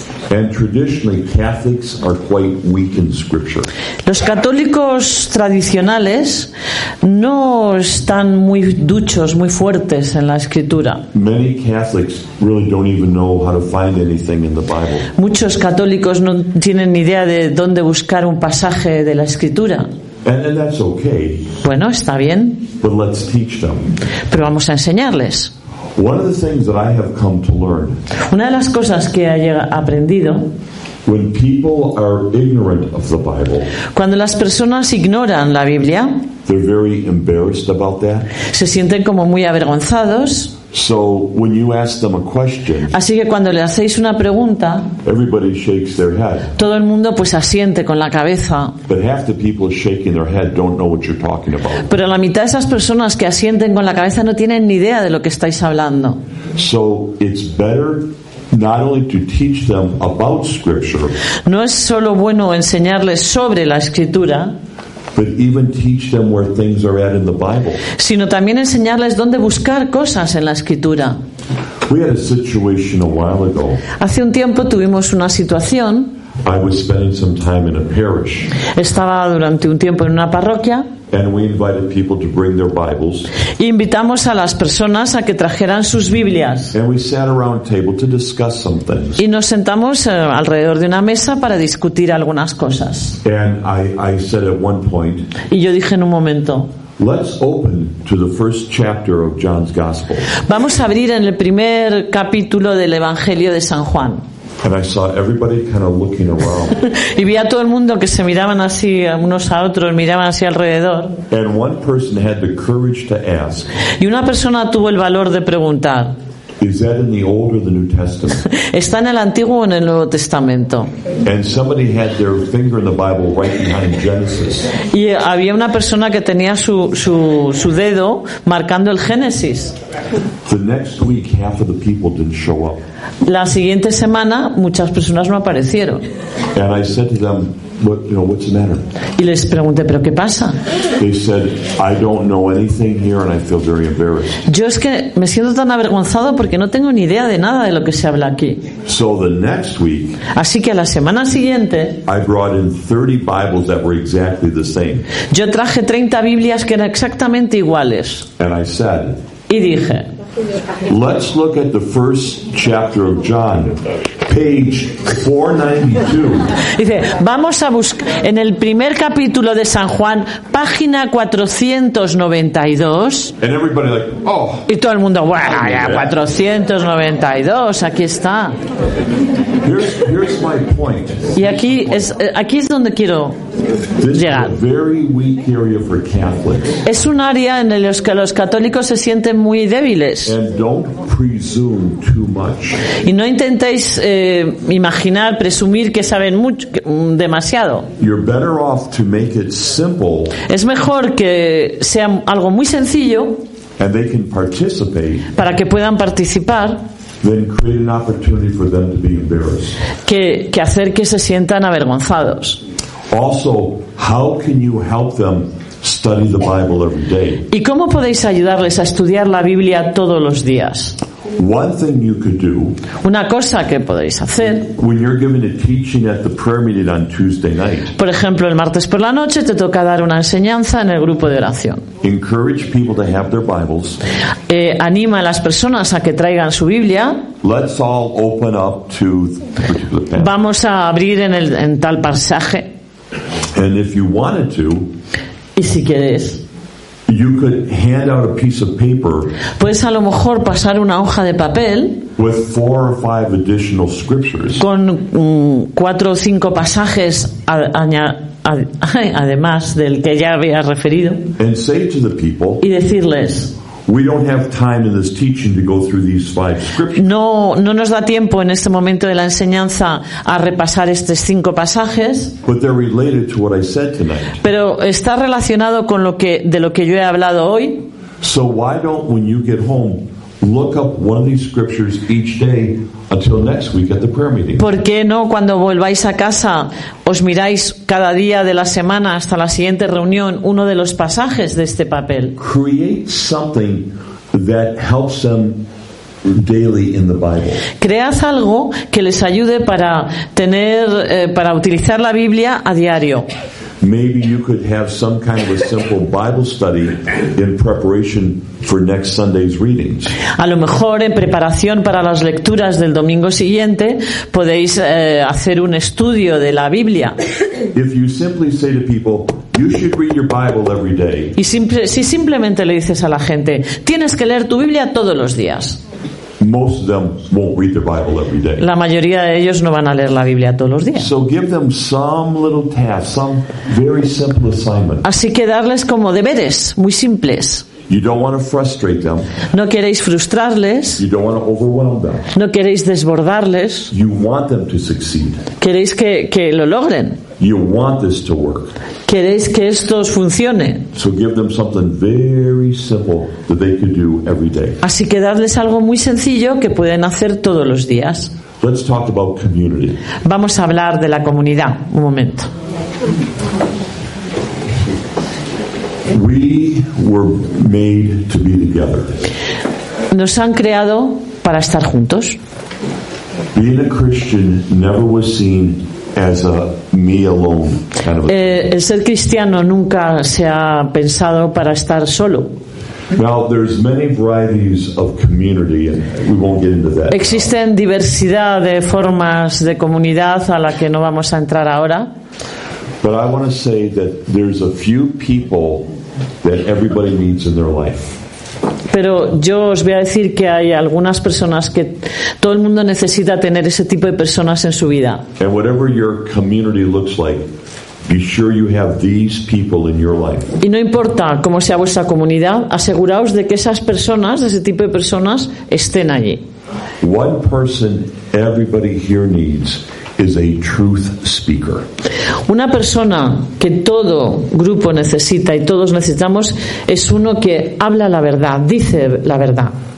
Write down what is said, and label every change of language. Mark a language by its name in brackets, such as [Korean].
[English] And traditionally, Catholics are quite weak in scripture. [Spanish] Los católicos tradicionales no están muy duchos, muy fuertes en la escritura. [English] Many Catholics really don't even know how to find anything in the Bible. [Spanish] Muchos católicos no tienen ni idea de dónde buscar un pasaje de la escritura. [English] And that's okay. [Spanish] Bueno, está bien. [English] But let's teach them. [Spanish] Pero vamos a enseñarles. [English] One of the things that I have come to learn. [Spanish] Una de las cosas que he aprendido. [English] When people are ignorant of the Bible. [Spanish] Cuando las personas ignoran la Biblia. [English] They're very embarrassed about that. [Spanish] Se sienten como muy avergonzados. [English] So when you ask them a question, [Spanish] así que cuando le hacéis una pregunta, [English] everybody shakes their head. [Spanish] Todo el mundo pues asiente con la cabeza. [English] But half the people shaking their head don't know what you're talking about. [Spanish] Pero la mitad de esas personas que asienten con la cabeza no tienen ni idea de lo que estáis hablando. [English] So it's better not only to teach them about scripture. [Spanish] No es solo bueno enseñarles sobre la escritura. [English] But even teach them where things are at in the Bible. [Spanish] Sino también enseñarles dónde buscar cosas en la escritura. [English] We had a situation a while ago. [Spanish] Hace un tiempo tuvimos una situación. [English] I was spending some time in a parish. [Spanish] Estaba durante un tiempo en una parroquia. [English] And we invited people to bring their Bibles. [Spanish] Y invitamos a las personas a que trajeran sus Biblias. [English] And we sat around a table to discuss some things. [Spanish] Y nos sentamos alrededor de una mesa para discutir algunas cosas. [English] And I said at one point, [Spanish] y yo dije en un momento, [English] let's open to the first chapter of John's Gospel. [Spanish] Vamos a abrir en el primer capítulo del Evangelio de San Juan. [English] And I saw everybody kind of looking around. [Spanish] Y vi a todo el mundo que se miraban así unos a otros, miraban así alrededor. [English] And one person had the courage to ask. [Spanish] Y una persona tuvo el valor de preguntar. [English] Is that in the Old or the New Testament? [Spanish] ¿Está en el Antiguo o en el Nuevo Testamento? [English] And somebody had their finger in the Bible right behind Genesis. [Spanish] Y había una persona que tenía su dedo marcando el Génesis. [English] The next week, half of the people didn't show up. [Spanish] La siguiente semana muchas personas no aparecieron. [English] And I said to them, but, you know, what's the matter? [Spanish] Y les pregunté, ¿pero qué pasa? [English] They said, I don't know anything here and I feel very embarrassed. [Spanish] Yo es que me siento tan avergonzado porque no tengo ni idea de nada de lo que se habla aquí. [English] So the next week, [Spanish] así que a la semana siguiente, [English] I brought in 30 Bibles that were exactly the same. [Spanish] Yo traje 30 Biblias que eran exactamente iguales. [English] And I said, [Spanish] y dije, [English] let's look at the first chapter of John, page 492. [Spanish] Dice, vamos a buscar en el primer capítulo de San Juan, página 492. [English] And everybody like, oh. [Spanish] Y todo el mundo, bueno, ya 492, aquí está. [English] Here's my point. [Spanish] Y aquí es donde quiero [English] this [Spanish] llegar. [English] Is a very weak area for Catholics. [Spanish] Es un área en la que los católicos se sienten muy débiles. [English] And don't presume too much. [Spanish] Y no intentéis imaginar, presumir que saben mucho, demasiado. [English] You're better off to make it simple. [Spanish] Es mejor que sea algo muy sencillo. [English] And they can participate. [Spanish] Para que puedan participar. [English] Then create an opportunity for them to be embarrassed. [Spanish] Que hacer que se sientan avergonzados. [English] Also, how can you help them study the Bible every day? [Spanish] ¿Y cómo podéis ayudarles a estudiar la Biblia todos los días? [English] One thing you could do. [Spanish] Una cosa que podéis hacer. [English] When you're giving a teaching at the prayer meeting on Tuesday night. [Spanish] Por ejemplo, el martes por la noche te toca dar una enseñanza en el grupo de oración. [English] Encourage people to have their Bibles. [Spanish] Anima a las personas a que traigan su Biblia. [English] Let's all open up to the particular passage. [Spanish] Vamos a abrir en tal pasaje. [English] And if you wanted to. [Spanish] Y si quieres. [English] You could hand out a piece of paper. [Spanish] Puedes a lo mejor pasar una hoja de papel. [English] With four or five additional scriptures. [Spanish] Con cuatro o cinco pasajes además del que ya había referido. [English] And say to the people. [Spanish] Y decirles. [English] We don't have time in this teaching to go through these five scriptures. [Spanish] No nos da tiempo en este momento de la enseñanza a repasar estos cinco pasajes. [English] But they're related to what I said tonight. [Spanish] Pero está relacionado con lo que yo he hablado hoy. [English] So why don't, when you get home, look up one of these scriptures each day until next week at the prayer meeting? [Spanish] ¿Por qué no cuando volváis a casa os miráis cada día de la semana hasta la siguiente reunión uno de los pasajes de este papel? [English] Create something that helps them daily in the Bible. [Spanish] Cread algo que les ayude para tener para utilizar la Biblia a diario. [English] Maybe you could have some kind of a simple Bible study in preparation for next Sunday's readings. [Spanish] A lo mejor en preparación para las lecturas del domingo siguiente podéis hacer un estudio de la Biblia. [English] If you simply say to people, you should read your Bible every day. [Spanish] Y si simplemente le dices a la gente, tienes que leer tu Biblia todos los días. [English] Most of them won't read their Bible every day. [Spanish] La mayoría de ellos no van a leer la Biblia todos los días. [English] So give them some little task, some very simple assignment. [Spanish] Así que darles como deberes, muy simples. [English] You don't want to frustrate them. [Spanish] No queréis frustrarles. [English] You don't want to overwhelm them. [Spanish] No queréis desbordarles. [English] You want them to succeed. [Spanish] Queréis que lo logren. [English] You want this to work. [Spanish] Queréis que esto funcione. [English] So give them something very simple that they can do every day. [Spanish] Así que darles algo muy sencillo que pueden hacer todos los días. [English] Let's talk about community. [Spanish] Vamos a hablar de la comunidad un momento. [English] We were made to be together. [Spanish] Nos han creado para estar juntos. [English] Being a Christian never was seen as a me alone kind of a [Spanish] El ser cristiano nunca se ha pensado para estar solo. [English] Now there's many varieties of community, and we won't get into that. [Spanish] Existen diversidad de formas de comunidad a la que no vamos a entrar ahora. [English] But I want to say that there's a few people that everybody needs in their life. [Spanish] Pero yo os voy a decir que hay algunas personas que todo el mundo necesita tener ese tipo de personas en su vida. [English] And whatever your community looks like, be sure you have these people in your life. [Spanish] Y no importa cómo sea vuestra comunidad, aseguraos de que esas personas, ese tipo de personas, estén allí. [English] One person everybody here needs is a truth speaker. [Spanish] Una persona que todo grupo necesita y todos necesitamos es uno que habla la verdad, dice la verdad.